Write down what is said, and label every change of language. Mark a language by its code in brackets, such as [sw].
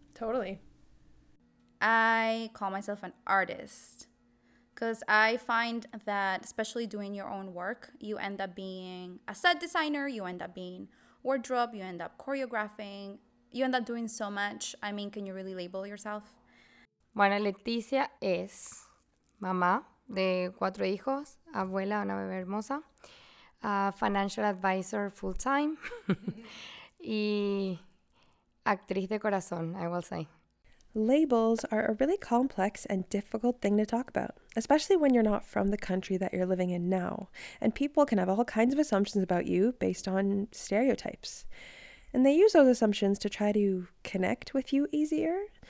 [en] Totally. I call myself an artist because I find that, especially doing your own work, you end up being a set designer, you end up being wardrobe, you end up choreographing, you end up doing so much. I mean, can you really label yourself? [es] Bueno, Leticia es mamá de 4 hijos, abuela, una bebé hermosa, [en] financial advisor full time, [es] y actriz de corazón, [en] I will say. Labels are a really complex and difficult thing to talk about, especially when you're not from the country that you're living in now, and people can have all kinds of assumptions about you based on stereotypes. And they use those assumptions to try to connect with you easier,